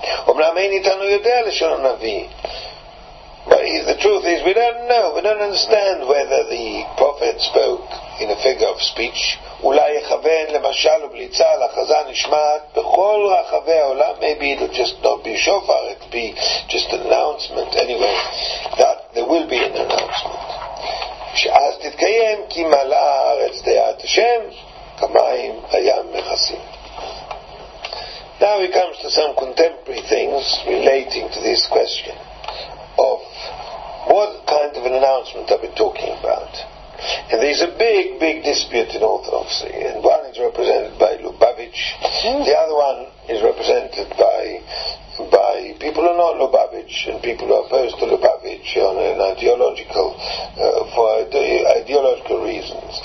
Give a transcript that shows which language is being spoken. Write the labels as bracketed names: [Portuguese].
[English] But the truth is, we don't know, we don't understand whether the prophet spoke in a figure of speech. Maybe it'll just not be shofar, it'll be just an announcement anyway, that there will be an announcement. [Hebrew] שאז תתקיים כי מלאה הארץ דעת השם כמים הים מכסים. [English] Now it comes to some contemporary things relating to this question of what kind of an announcement are we talking about. And there is a big dispute in Orthodoxy, and one is represented by Lubavitch, the other one is represented by people who are not Lubavitch and people who are opposed to Lubavitch on an ideological ideological reasons.